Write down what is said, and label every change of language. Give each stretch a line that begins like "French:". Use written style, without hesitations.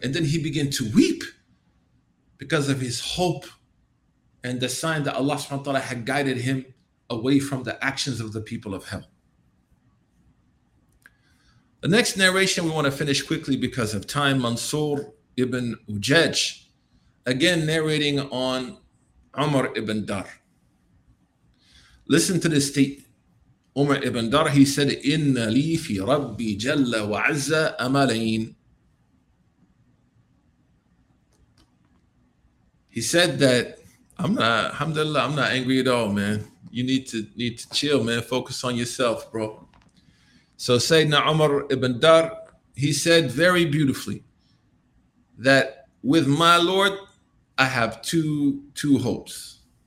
English: And then he began to weep because of his hope and the sign that Allah subhanahu wa ta'ala had guided him away from the actions of the people of hell. The next narration we want to finish quickly because of time, Mansur ibn Ujaj, again narrating on Umar ibn Dar. Listen to this statement. Umar ibn Dar, he said,
Arabic: إِنَّ لِي فِي رَبِّي جَلَّ وَعَزَّ أَمَلَيْنَ.
English: He said that, alhamdulillah, I'm not angry at all, man. You need to chill, man. Focus on yourself, bro. So Sayyidina Umar ibn Dar, he said very beautifully that with my Lord, I have two hopes.